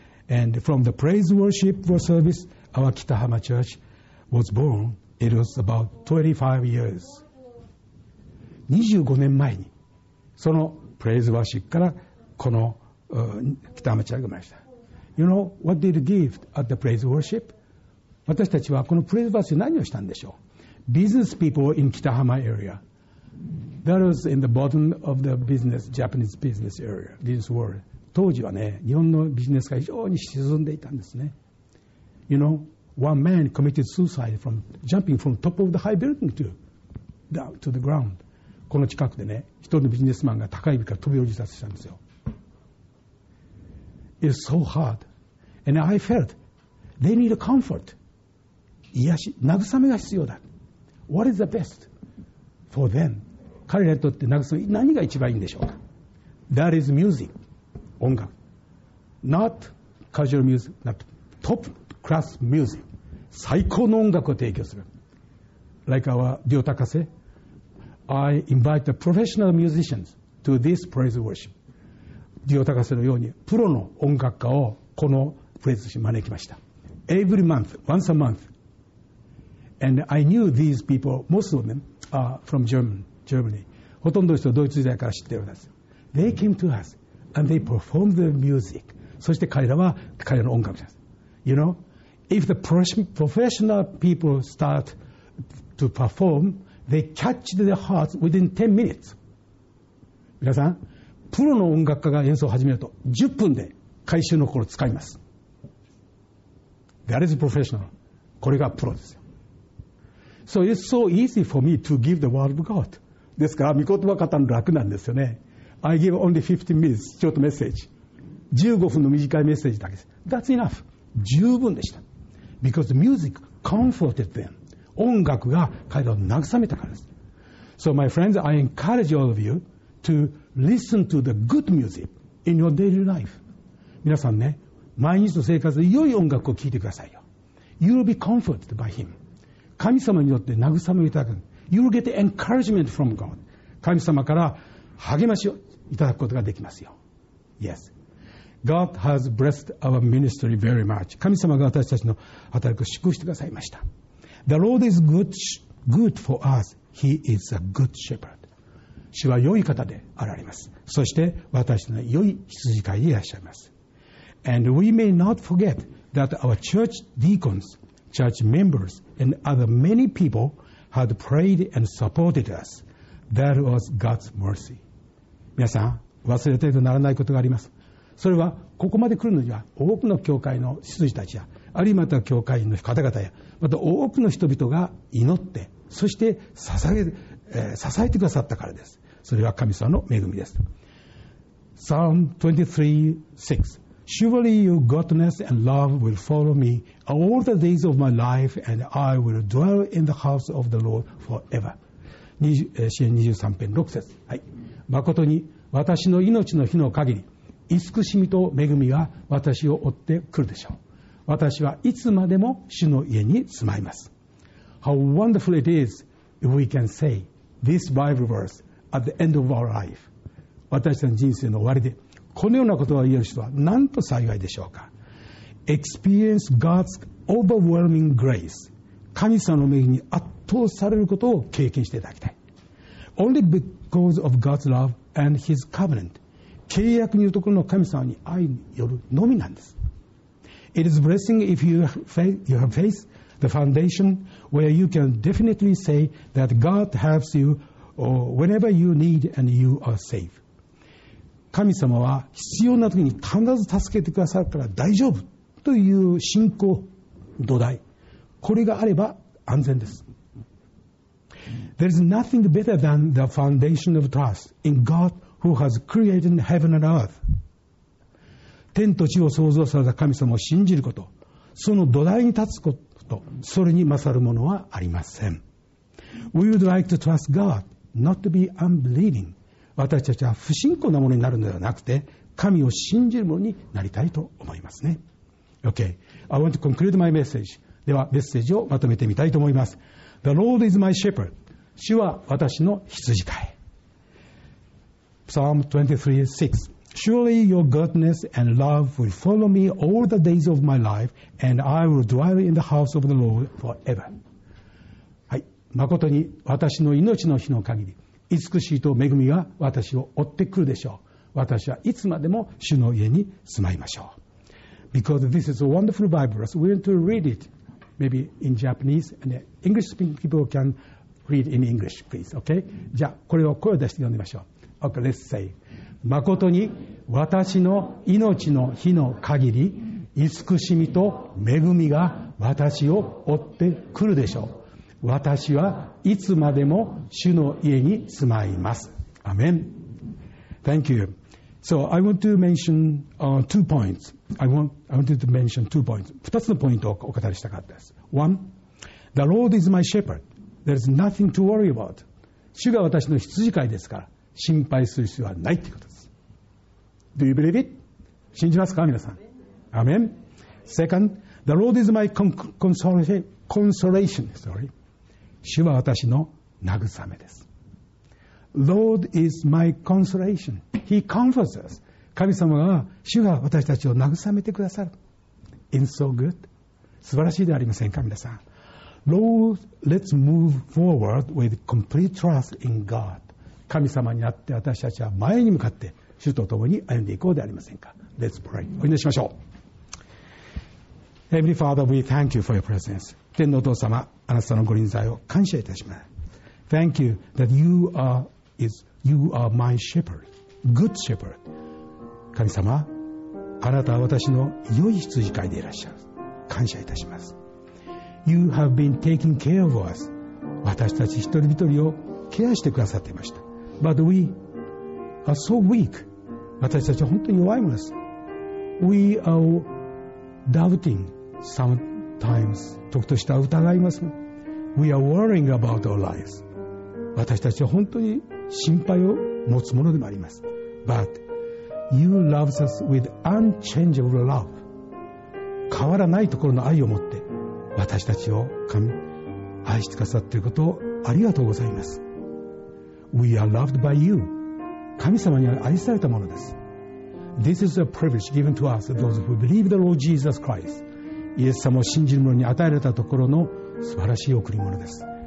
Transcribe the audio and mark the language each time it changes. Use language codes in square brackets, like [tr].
[en] And from the praise worship service, our Kitahama Churchwas born, it was about 25 years. [ja] 25年前にそのプレイズワーシップからこの北浜町が生まれました。 [en] You know, what did give at the praise worship? [ja] 私たちはこのプレイズワーシップ何をしたんでしょう。 [en] Business people in 北浜 area. That was in the bottom of the business, Japanese business area, business world. [ja] 当時はね、日本のビジネスが非常に沈んでいたんですね。 [en] You knowOne man committed suicide from jumping from top of the high building to down to the ground. [ja] この近くでね、一人のビジネスマンが高いビルから飛び降り自殺したんですよ。 [en] It's so hard. And I felt they need a comfort. [ja] 癒し、慰めが必要だ。 [en] What is the best for them? [ja] 彼らにとって慰め、何が一番いいんでしょうか。 [en] That is music. [ja] 音楽。 [en] Not casual music, not topclass music. [ja] 最高の音楽を提供する。 [en] Like our 両高瀬 I invite the professional musicians to this praise worship. [ja] ディオ高瀬のようにプロの音楽家をこのプレイズに招きました。 [en] Every month, once a month, and I knew these people, most of them are from Germany. [ja] ほとんどの人はドイツ時代から知っているんです。 [en] They came to us and they performed the music. [ja] そして彼らは彼らの音楽です。 [en] You know, if the professional people start to perform, they catch their hearts within 10 minutes. [ja] 皆さん、プロの音楽家が演奏を始めると10分で回収の心を使います。 [en] That is professional. [ja] これがプロですよ。 [en] So it's so easy for me to give the word of God. [ja] ですから、御言葉語るの楽なんですよね。 [en] I give only 15 minutes short message. [ja] 15分の短いメッセージだけです。 [en] That's enough. [ja] 十分でした。 [en] Because music comforted them. [ja] 音楽が彼らを慰めたからです。 [en] So my friends, I encourage all of you to listen to the good music in your daily life. [ja] 皆さんね、毎日の生活で良い音楽を聴いてくださいよ。 [en] You will be comforted by him. [ja] 神様によって慰めをいただく。 [en] You will get encouragement from God. [ja] 神様から励ましをいただくことができますよ。 [en] Yes. God has blessed our ministry very much. [ja] 神様が私たちの働きを祝福してくださいました。 [en] The Lord is good for us. He is a good shepherd. [ja] 主は良い方であられます。そして私の良い羊飼いでいらっしゃいます。 [en] And we may not forget that our church deacons, church members, and other many people had prayed and supported us. That was God's mercy. [ja] 皆さん、忘れてはならないことがあります。それは、ここまで来るのには、多くの教会の羊たちや、あるいはまた教会の方々や、また多くの人々が祈って、そして支えてくださったからです。それは神様の恵みです。 [en] Psalm 23:6 Surely your goodness and love will follow me all the days of my life, and I will dwell in the house of the Lord forever. [ja] 詩編23編6節、はい、誠に私の命の日の限り、慈しみと恵みが私を追ってくるでしょう。私はいつまでも主の家に住まいます。 [en] How wonderful it is if we can say this Bible verse at the end of our life. [ja] 私の人生の終わりでこのようなことを言える人はなんと幸いでしょうか。 [en] Experience God's overwhelming grace. [ja] 神様の恵みに圧倒されることを経験していただきたい。 [en] Only because of God's love and His covenant. [ja] 契約によるところの神様に愛によるのみなんです。 [en] It is a blessing if you have faith, the foundation where you can definitely say that God helps you whenever you need and you are safe. [ja] 神様は必要な時に必ず助けてくださるから大丈夫という信仰土台、これがあれば安全です。 [en] There is nothing better than the foundation of trust in God who has created heaven and earth. [ja] 天と地を創造された神様を信じること、その土台に立つこと、それに勝るものはありません。 [en] We would like to trust God not to be unbelieving. [ja] 私たちは不信仰なものになるのではなくて、神を信じるものになりたいと思いますね。 [en] OK. I want to conclude my message. [ja] ではメッセージをまとめてみたいと思います。 [en] The Lord is my shepherd. [ja] 主は私の羊飼い。 [en] Psalm 23:6 Surely your goodness and love will follow me all the days of my life, and I will dwell in the house of the Lord forever. [ja] はい。誠に私の命の日の限り、慈しいと恵みが私を追ってくるでしょう。私はいつまでも主の家に住まいましょう。 [en] Because this is a wonderful Bible, so we want to read it maybe in Japanese and English speaking people can read in English, please. Okay? [ja] じゃあこれを声を出して読んでみましょう。 [en] Okay, let's say. [ja] 誠に私の命の日の限り、慈しみと恵みが私を追ってくるでしょう。私はいつまでも主の家に住まいます。アメン。 [en] Thank you. So I want to mention two points. I wanted to mention two points. [ja] 2つのポイントをお語りしたかったです。 [en] One, the Lord is my shepherd. There is nothing to worry about. [ja] 主が私の羊飼いですから心配する必要はないということです。 [en] Do you believe it? [ja] 信じますか皆さん。アメン。 [en] Second, the Lord is my consolation. Sorry. [ja] 主は私の慰めです。 [en] Lord is my consolation. He comforts us. [ja] 神様が主が私たちを慰めてくださる。 [en] It's so good. [ja] 素晴らしいではありませんか、皆さん。 [en] Lord, let's move forward with complete trust in God. [ja] 神様になって私たちは前に向かって主と共に歩んでいこうではありませんか。 [en] Let's pray. [ja] お祈りしましょう。 [en] Heavenly Father, we thank you for your presence. [ja] 天のお父様、あなたのご臨在を感謝いたします。 [en] Thank you that you are my shepherd, good shepherd. [ja] 神様、あなたは私の良い羊飼いでいらっしゃる。感謝いたします。 [en] You have been taking care of us. [ja] 私たち一人一人をケアしてくださっていました。 [en] But we are so weak. [ja] 私たちは本当に弱いものです。 [en] We are doubting sometimes. [ja] 時としては疑います。 [en] We are worrying about our lives. [ja] 私たちは本当に心配を持つものでもあります。 [en] But you love us with unchangeable love. [ja] 変わらないところの愛を持って私たちを神愛してくださっていることをありがとうございます。 [en] We are loved by you. [ja] 神様には愛されたものです。 [en] This is a privilege given to us, those who believe the Lord Jesus Christ. [ja] イエス様を信じる者に与えられたところの素晴らしい贈り物です。